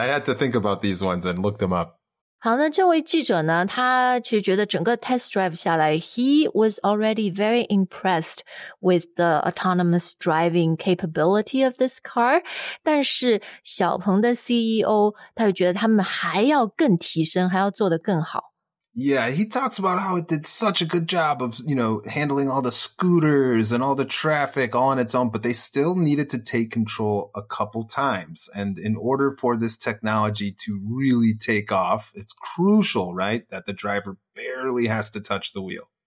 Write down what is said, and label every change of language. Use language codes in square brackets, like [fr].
[en] I had to think about these ones and look them up. [zh] 好，那这位记者呢，他其实觉得整个 [en] test drive [zh] 下来 [en] he was already very impressed with the autonomous driving capability of this car. [zh] 但是小鹏的 CEO, 他就觉得他们还要更提升，还要做得更好。 [en] Yeah, he talks about how it did such a good job of, you know, handling all the scooters and all the traffic all on its own, but they still needed to take control a couple times. And in order for this technology to really take off, it's crucial, right, that the driver barely has to touch the wheel.